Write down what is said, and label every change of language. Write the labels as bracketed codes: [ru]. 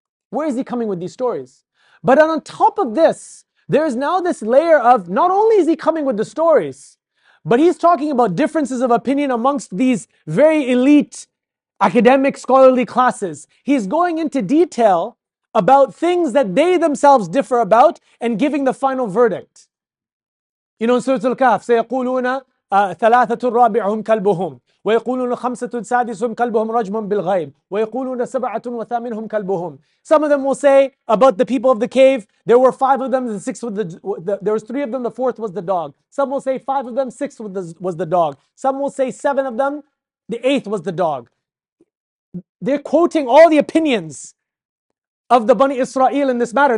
[en] Where is he coming with these stories? But on top of this, there is now this layer of not only is he coming with the stories, but he's talking about differences of opinion amongst these very elite academic scholarly classes. He's going into detail about things that they themselves differ about and giving the final verdict. You know, in Surah Al-Kahf, [ar] سَيَقُولُونَ ثَلَاثَةٌ رَابِعُهُمْ كَلْبُهُمْ وَيَقُولُونَ خَمْسَةٌ سَادِسُهُمْ كَلْبُهُمْ رَجْمٌ بِالْغَيْبِ وَيَقُولُونَ سَبْعَةٌ وَثَامِنُهُمْ كَلْبُهُمْ. [en] Some of them will say about the people of the cave, there were five of them, the sixth was there was three of them, the fourth was the dog. Some will say five of them, sixth was the dog. Some will say seven of them, the eighth was the dog. They're quoting all the opinions of the Bani Israel in this matter.